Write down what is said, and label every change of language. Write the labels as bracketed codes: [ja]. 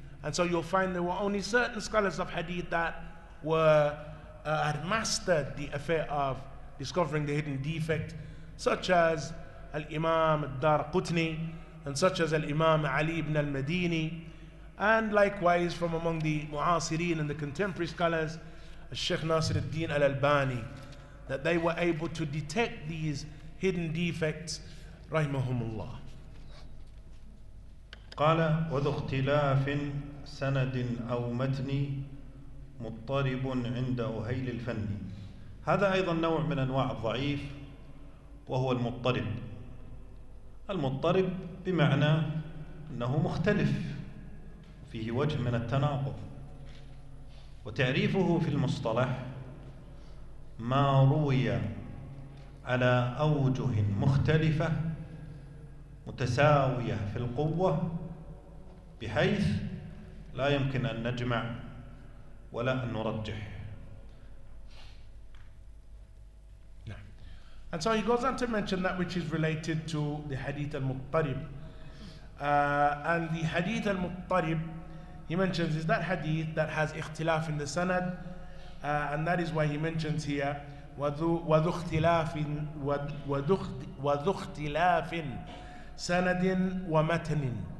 [en] And so you'll find there were only certain scholars of hadith that were had mastered the affair of discovering the hidden defect, such as Al-Imam Ad-Darqutni, and such as Al-Imam Ali ibn al-Madini, and likewise from among the Mu'asireen and the contemporary scholars, Sheikh Nasir al-Din al-Albani, that they were able to detect these hidden defects, rahimahumullah. [ar] قال وذو اختلاف سند أو متن مضطرب عند أهيل الفن. هذا أيضا نوع من أنواع الضعيف، وهو المضطرب. المضطرب بمعنى أنه مختلف، فيه وجه من التناقض. وتعريفه في المصطلح ما روي على أوجه مختلفة متساوية في القوة، بحيث لا يمكن أن نجمع ولا أن نرجح. [en] And so he goes on to mention that which is related to the hadith al-Muttarib. And the hadith al-Muttarib, he mentions, is that hadith that has ikhtilaf in the sanad. And that is why he mentions here, [ar] وَذُخْتِلَافٍ سَنَدٍ وَمَتَنٍ.